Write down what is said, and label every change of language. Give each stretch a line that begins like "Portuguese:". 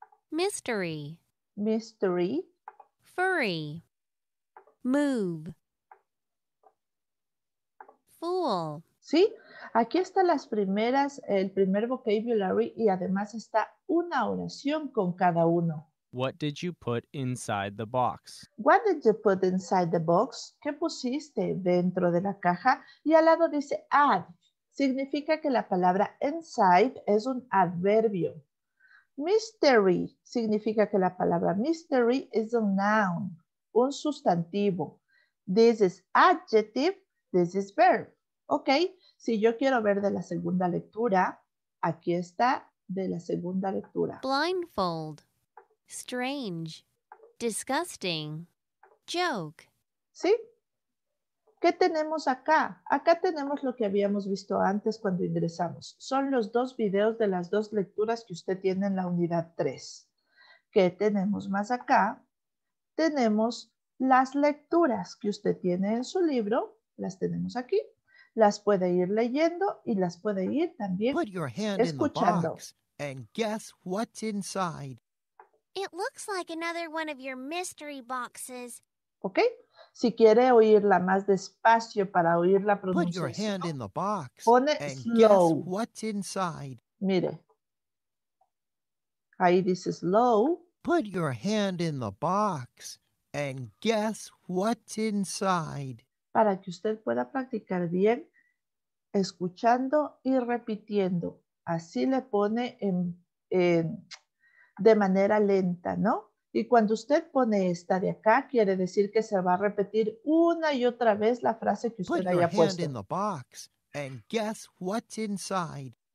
English: Mystery. Mystery. Furry. Move. Fool.
Spanish: Sí, aquí están las primeras, el primer vocabulary y además está una oración con cada uno.
English: What did you put inside the box? What did you put inside the box?
Spanish: ¿Qué pusiste dentro de la caja? Y al lado dice add. Significa que la palabra inside es un adverbio. Mystery significa que la palabra mystery is a noun, un sustantivo.
English: This is adjective, this is verb.
Spanish: Ok, si yo quiero ver de la segunda lectura, aquí está de la segunda lectura.
English: Blindfold. Strange, disgusting, joke.
Spanish: ¿Sí? ¿Qué tenemos acá? Acá tenemos lo que habíamos visto antes cuando ingresamos. Son los dos videos de las dos lecturas que usted tiene en la unidad 3. ¿Qué tenemos más acá? Tenemos las lecturas que usted tiene en su libro. Las tenemos aquí. Las puede ir leyendo y las puede ir también escuchando.
English: Put your hand in the box and guess what's inside. It looks like another one of your mystery boxes. Okay.
Spanish: Si quiere oírla más despacio para oír la pronunciación.
English: Put your hand in the box.
Spanish: Pone
English: and slow. Guess what's inside.
Spanish: Mire. Ahí dice slow.
English: Put your hand in the box and guess what's inside.
Spanish: Para que usted pueda practicar bien escuchando y repitiendo. Así le pone en de manera lenta, ¿no? Y cuando usted pone esta de acá, quiere decir que se va a repetir una y otra vez la frase que usted haya puesto.
English: Put your hand in the box and guess what's inside.